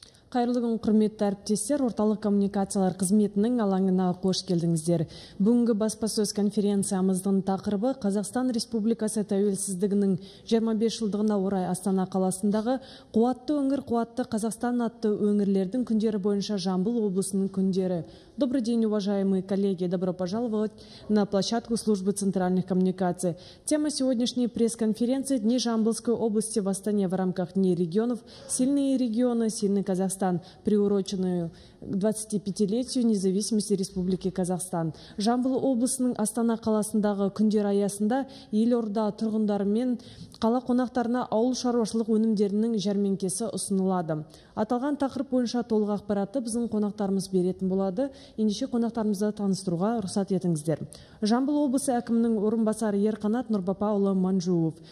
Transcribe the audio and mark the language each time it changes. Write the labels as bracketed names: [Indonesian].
[Kazakh] Қайырлы күн, құрметті әріптестер, орталық коммуникациялар қызметінің алаңына қош келдіңіздер. Бүгінгі баспасөз конференциямыздың тақырыбы Қазақстан Республикасы тәуелсіздігінің 25 жылдығына орай Астана қаласындағы қуатты өңір, қуатты Қазақстан атты өңірлердің күндері бойынша Жамбыл облысының күндері. [Russian] Добрый день, уважаемые коллеги, добро пожаловать на площадку службы центральных коммуникаций. Тема сегодняшней пресс-конференции – Дни Жамбылской области в Астане в рамках Дней регионов. Сильные регионы, сильный Казахстан, приуроченную 25-летию независимости Республики Казахстан. [Kazakh] Жамбыл облысының Астана қаласындағы күндер аясында елорда тұрғындарымен қала қонақтарына ауыл шаруашылық өнімдерінің жәрменкесі ұсынылады. Аталған тақырып бойынша толық ақпаратты біздің қонақтарымыз беретін болады. Ендеше қонақтарымызды таныстыруға рұқсат етіңіздер. Жамбыл облысы әкімінің орынбасары Ерқанат Нұрбапаұлы Манжуов.